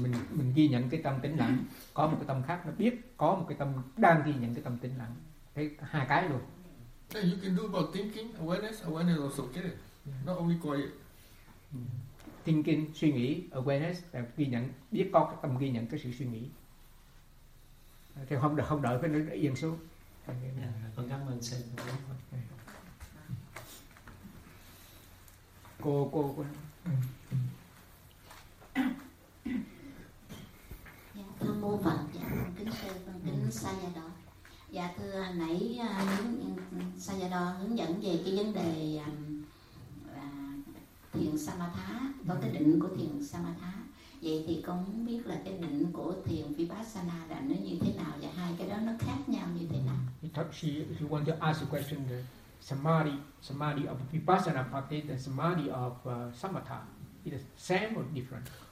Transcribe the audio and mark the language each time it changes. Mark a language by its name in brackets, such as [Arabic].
[Vietnamese] Mình ghi nhận cái tâm tĩnh lặng, có một cái tâm khác nó biết, có một cái tâm đang ghi nhận cái tâm tĩnh lặng, thế hai cái luôn. [English] Yeah, you can do about thinking awareness also okay. Not only quiet. [Vietnamese] Thinking suy nghĩ awareness là ghi nhận, biết có cái tâm ghi nhận cái sự suy nghĩ. Thì không đợi phải nó yên xuống. Con cảm ơn sư. Cô. Dạ, thưa mô Phật, dạ, kính sư, kính Sayadaw. Dạ, thưa nãy Sayadaw hướng dẫn về cái vấn đề thiền Samatha, có cái định của thiền Samatha. Vậy thì con muốn biết là cái định của thiền Vipassana là nó như thế nào và hai cái đó nó khác nhau như thế nào? [English] She want to ask a question, the Samadhi of Vipassana practice and Samadhi of Samatha, it is same or different?